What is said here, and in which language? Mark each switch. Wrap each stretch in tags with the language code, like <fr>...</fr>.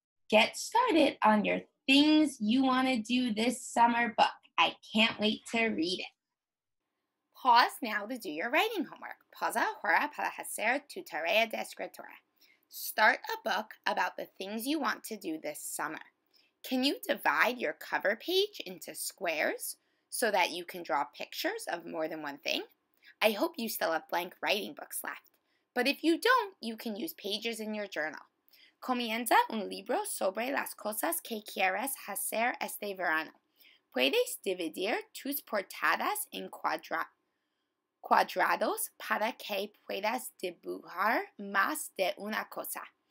<en>Get started on your Things You Want to Do This Summer book. I can't wait to read it. Pause now to do your writing homework.</en> <es>Pausa ahora para hacer tu tarea de escritura.</es> <en>Start a book about the things you want to do this summer. Can you divide your cover page into squares so that you can draw pictures of more than one thing? I hope you still have blank writing books left. But if you don't, you can use pages in your journal.</en> <es>Comienza un libro sobre las cosas que quieres hacer este verano. Puedes dividir tus portadas en cuadrados para que puedas dibujar más de una cosa.</es>